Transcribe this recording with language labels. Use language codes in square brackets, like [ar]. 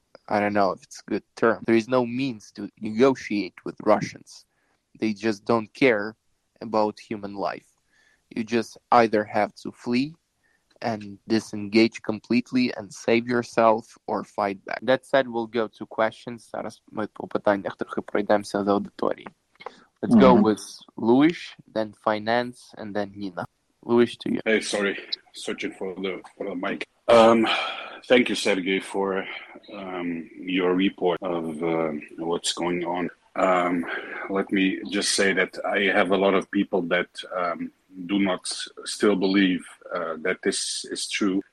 [en] I don't know if it's a good term. There is no means to negotiate with Russians. They just don't care about human life. You just either have to flee and disengage completely and save yourself, or fight back. That said, we'll go to questions. [uk] Зараз ми по питаннях трохи пройдемося за аудиторії. [en] Let's go with Luis, then finance, and then Nina. Luis, to you. Hey, sorry. Searching for the mic. Thank you, Sergey, for your report of what's going on. Let me just say that I have a lot of people that do not still believe that this is true.